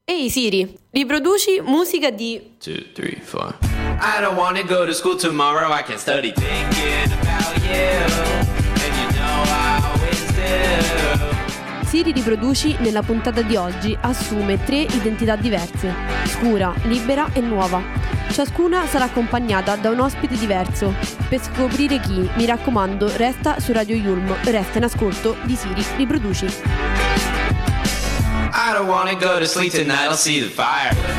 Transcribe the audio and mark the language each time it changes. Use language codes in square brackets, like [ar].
[it] Ehi hey Siri, riproduci musica di 2, 3, 4. [en] I don't wanna go to school tomorrow, I can study thinking about you. And you know I always do. [it] Siri riproduci nella puntata di oggi assume tre identità diverse: scura, libera e nuova. Ciascuna sarà accompagnata da un ospite diverso. Per scoprire chi, mi raccomando, resta su Radio Yulm, resta in ascolto di Siri riproduci. [en] I don't wanna go to sleep tonight, I'll see the fire.